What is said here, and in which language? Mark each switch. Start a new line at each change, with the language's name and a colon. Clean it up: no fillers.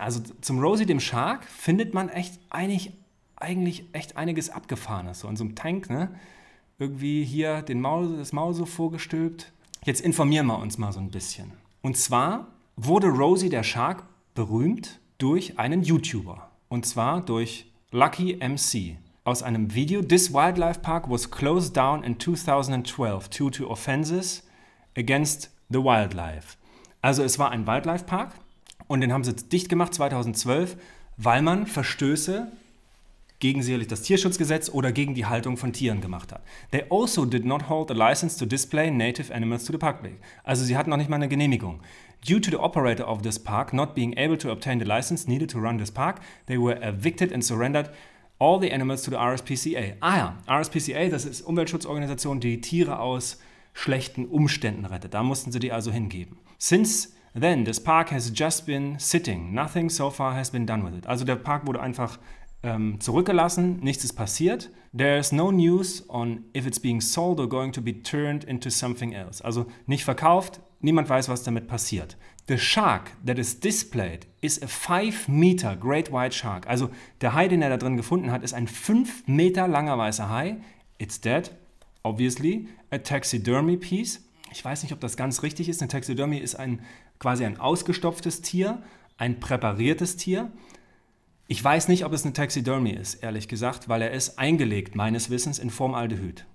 German: Also zum Rosie, dem Shark, findet man echt eigentlich echt einiges Abgefahrenes. So in so einem Tank, ne? Irgendwie hier das Maul so vorgestülpt. Jetzt informieren wir uns mal so ein bisschen. Und zwar wurde Rosie, der Shark, berühmt durch einen YouTuber. Und zwar durch Lucky MC. Aus einem Video:
English: This wildlife park was closed down in 2012 due to offenses against the wildlife.
German: Also es war ein Wildlife Park. Und den haben sie dicht gemacht 2012, weil man Verstöße gegen sicherlich das Tierschutzgesetz oder gegen die Haltung von Tieren gemacht hat.
English: They also did not hold a license to display native animals to the public.
German: Also sie hatten noch nicht mal eine Genehmigung.
English: Due to the operator of this park not being able to obtain the license needed to run this park, they were evicted and surrendered all the animals to the RSPCA.
German: Ah ja, RSPCA, das ist Umweltschutzorganisation, die Tiere aus schlechten Umständen rettet. Da mussten sie die also hingeben.
English: Since then, this park has just been sitting. Nothing so far has been done with it.
German: Also der Park wurde einfach zurückgelassen, nichts ist passiert.
English: There is no news on if it's being sold or going to be turned into something else.
German: Also nicht verkauft, niemand weiß, was damit passiert.
English: The shark that is displayed is a 5-meter great white shark.
German: Also der Hai, den er da drin gefunden hat, ist ein 5 Meter langer weißer Hai.
English: It's dead, obviously. A taxidermy piece.
German: Ich weiß nicht, ob das ganz richtig ist. Eine Taxidermy ist quasi ein ausgestopftes Tier, ein präpariertes Tier. Ich weiß nicht, ob es eine Taxidermy ist, ehrlich gesagt, weil er ist eingelegt, meines Wissens, in Formaldehyd.